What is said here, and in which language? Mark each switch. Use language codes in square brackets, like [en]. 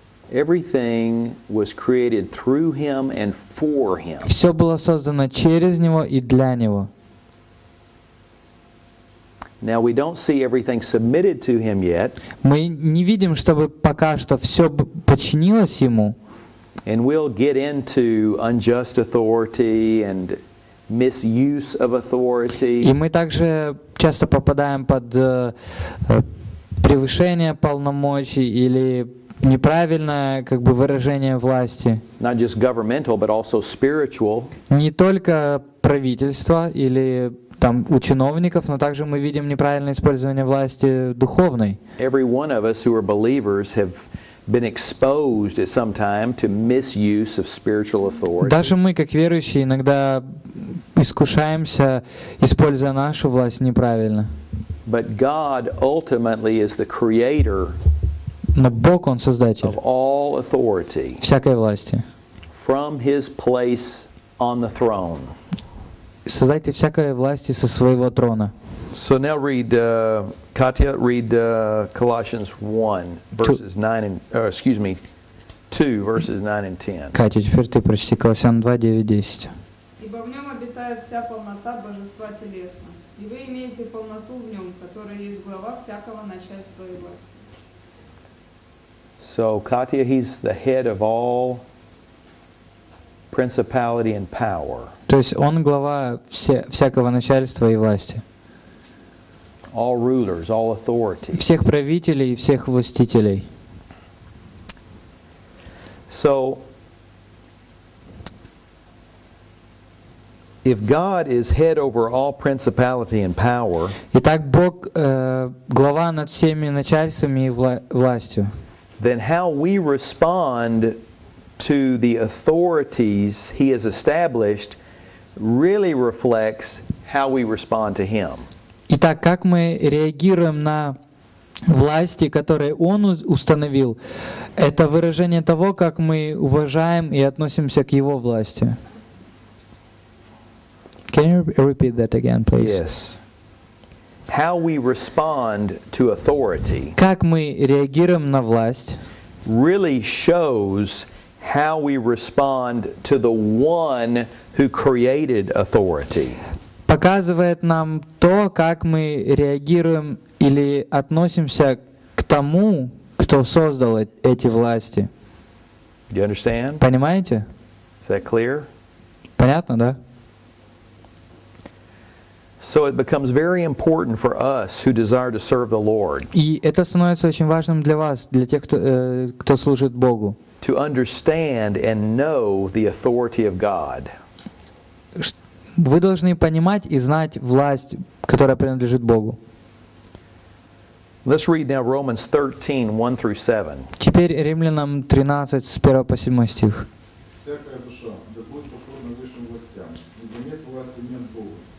[en] Everything was created through him and for him. [ru] Все было создано через него и для него. [en] Now we don't see everything submitted to him yet. [ru] Мы не видим, чтобы пока что все подчинилось ему. [en] And we'll get into unjust authority and misuse of authority. [ru] И мы также часто попадаем под превышение полномочий или неправильное как бы выражение власти. [en] Not just governmental, but also spiritual. [ru] Не только правительство или там, у чиновников, но также мы видим неправильное использование власти духовной. [en] Every one of us who are believers have been exposed at some time to misuse of spiritual authority. [ru] Даже мы, как верующие, иногда искушаемся, используя нашу власть неправильно. [en] But God ultimately is the creator. [ru] Но Бог, Он создатель. [en] Of all authority. [ru] Всякой власти. [en] From His place on the throne. [ru] Создатель всякой власти со своего трона. [en] So now read, Katya, read Colossians 1, verses 9 and, excuse me, 2, verses 9 and 10. [ru] Катя, теперь ты прочти Колоссян 2, 9, 10. Ибо в нем обитает вся полнота Божества телесно, и вы имеете полноту в нем, которая есть глава всякого начальства и власти. [en] So, Katya, he's the head of all principality and power. [ru] То есть он глава всякого начальства и власти. [en] All rulers, all authority. [ru] Всех правителей и всех властителей. [en] So, if God is head over all principality and power, [ru] итак, Бог глава над всеми начальствами и властью. [en] Then how we respond to the authorities he has established really reflects how we respond to him. [ru] Итак, как мы реагируем на власти, которые он установил, это выражение того, как мы уважаем и относимся к его власти. [en] Can you repeat that again, please? Yes. How we respond to authority. [ru] Как мы реагируем на власть [en] really shows how we respond to the one who created authority. [ru] Показывает нам то, как мы реагируем или относимся к тому, кто создал эти власти. [en] Do you understand? [ru] Понимаете? [en] Is that clear? [ru] Понятно, да? [en] So it becomes very important for us who desire to serve the Lord. [ru] И это становится очень важным для вас, для тех, кто кто служит Богу. [en] To understand and know the authority of God. [ru] Вы должны понимать и знать власть, которая принадлежит Богу. [en] Let's read now Romans 13, 1 through 7. [ru] Теперь Римлянам 13, с 1 по 7 стих. Всякая душа да будет покорна высшим властям, ибо нет власти, нет Бога.